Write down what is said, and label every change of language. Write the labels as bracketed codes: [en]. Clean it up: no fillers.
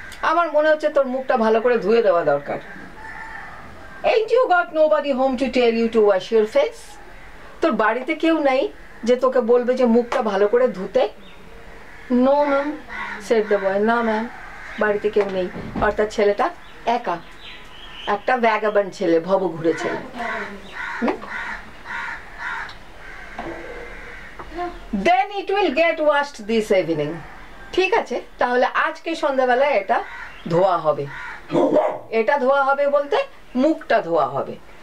[bn] আমার মনে হচ্ছে তোর মুখটা ভালো করে ধুয়ে দেওয়া দরকার। [en] Ain't you got nobody home to tell you to wash your face? [bn] তোর বাড়িতে কেউ নাই যে তোকে বলবে যে মুখটা ভালো করে ধুতে? [en] No, ma'am, said the boy. No, ma'am, [bn] বাড়িতে কেউ নেই। আর তার ছেলেটা একা। একটা ভ্যাগাবন ছেলে, ভব ঘুরে ছেলে। [en] Then it will get washed this evening. [bn] ঠিক আছে, তাহলে আজকে সন্ধ্যাবেলায় এটা ধোয়া হবে। এটা ধোয়া হবে বলতে মুখটা ধোয়া হবে।